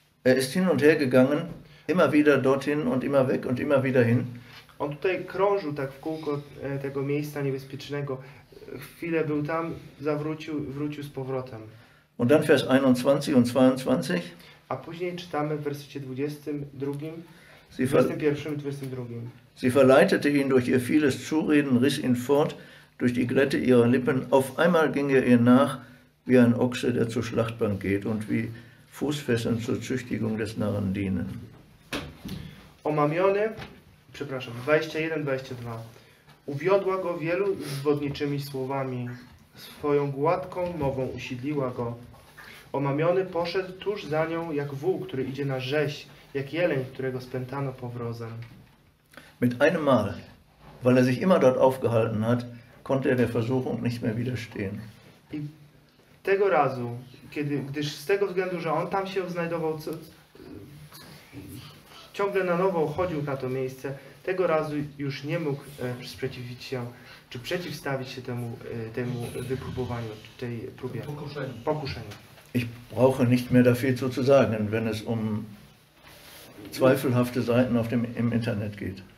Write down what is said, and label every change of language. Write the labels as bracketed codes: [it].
[de] Er ist hin und her gegangen, immer wieder dorthin und immer weg und immer wieder hin. [pl] On tutaj krążył tak w kółko tego miejsca niebezpiecznego. Chwilę był tam, zawrócił, wrócił z powrotem. [de] Und dann Vers 21 und 22. [pl] A później czytamy w wersecie 21 i 22. [de] Sie verleitete ihn durch ihr vieles Zureden, riss ihn fort durch die Glätte ihrer Lippen. Auf einmal ging er ihr nach wie ein Ochse, der zur Schlachtbank geht und wie Fußfesseln zur Züchtigung des Narren dienen. [pl] Omamiony, przepraszam, 21-22. Uwiodła go wielu zwodniczymi słowami. Swoją gładką mową usidliła go. Omamiony poszedł tuż za nią jak wół, który idzie na rzeź, jak jeleń, którego spętano powrozem. [de] Mit einem Mal, weil er sich immer dort aufgehalten hat, konnte er der Versuchung nicht mehr widerstehen. [pl] I tego razu, gdyż z tego względu, że on tam się znajdował, ciągle na nowo chodził na to miejsce, tego razu już nie mógł sprzeciwić się, czy przeciwstawić się temu wypróbowaniu, tej próbie. Pokuszeniu. [de] Ich brauche nicht mehr dafür zu sagen, wenn es um zweifelhafte Seiten auf dem im Internet geht.